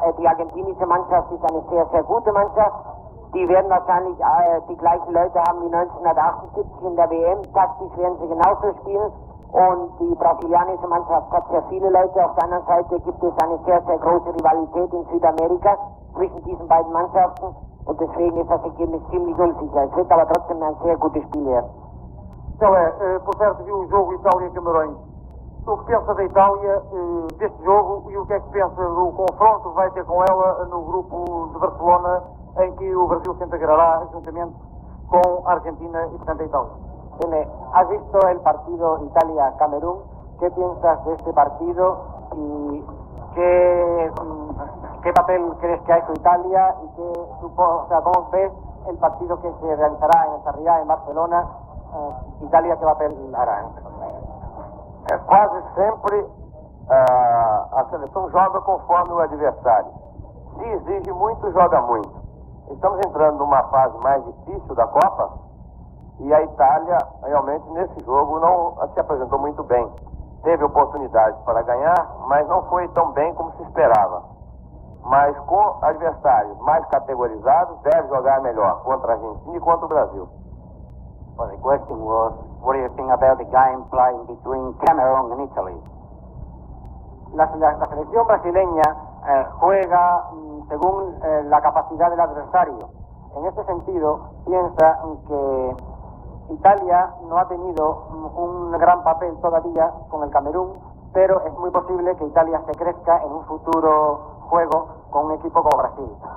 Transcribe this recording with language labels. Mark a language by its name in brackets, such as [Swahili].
[German] Die argentinische Mannschaft ist eine sehr, sehr gute Mannschaft. Die werden wahrscheinlich die gleichen Leute haben wie 1978 in der WM. Taktisch werden sie genauso spielen. Und die brasilianische Mannschaft hat sehr viele Leute. Auf der anderen Seite gibt es eine sehr, sehr große Rivalität in Südamerika zwischen diesen beiden Mannschaften und deswegen ist das Ergebnis ziemlich unsicher. Es wird aber trotzdem ein sehr gutes Spiel werden. [Portuguese] Tele, por certo, viu o jogo Itália-Camarões. O que pensa da Itália deste jogo e o que é que pensa do confronto que vai ter com ela no grupo de Barcelona em que o Brasil se integrará juntamente com a Argentina e, portanto, a Itália? [Spanish] Tele, has visto el partido Italia-Camerún? ¿Qué piensas de este partido y qué... ¿Qué papel crees que ha hecho Italia y qué cómo ves el partido que se realizará en Sarriá, en Barcelona? Italia, ¿qué papel hará? [Portuguese] Quase sempre a seleção joga conforme o adversário. Se exige muito, joga muito. Estamos entrando numa fase mais difícil da Copa e a Itália realmente nesse jogo não se apresentou muito bem. Teve oportunidades para ganhar, mas não foi tão bem como se esperava. Mas com adversários mais categorizados, deve jogar melhor contra a Argentina e contra o Brasil. [English] Well, the question was, what do you think about the game playing between Cameroon and Italy? [Spanish] la selección brasileña juega según la capacidad del adversario. En ese sentido, piensa que Italia no ha tenido un gran papel todavía con el Camerún, pero es muy posible que Italia se crezca en un futuro juego con un equipo como Brasil.